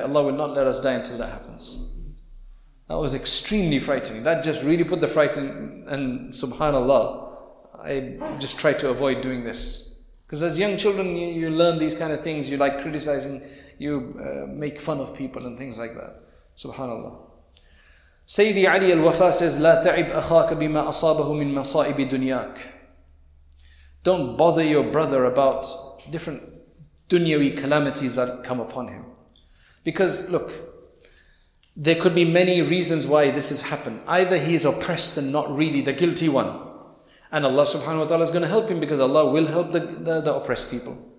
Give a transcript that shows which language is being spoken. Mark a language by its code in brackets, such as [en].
[en] Allah will not let us die until that happens. That was extremely frightening. That just really put the fright in, and subhanAllah, I just try to avoid doing this. Because as young children, you learn these kind of things, you like criticizing, you make fun of people and things like that. SubhanAllah. [ar] Sayyidi Ali al-Wafa says, لا تعب أخاك بما أصابه من مصائب دنياك. [en] Don't bother your brother about different dunyawi calamities that come upon him. Because look, there could be many reasons why this has happened. Either he is oppressed and not really the guilty one, and Allah subhanahu wa ta'ala is going to help him because Allah will help the oppressed people.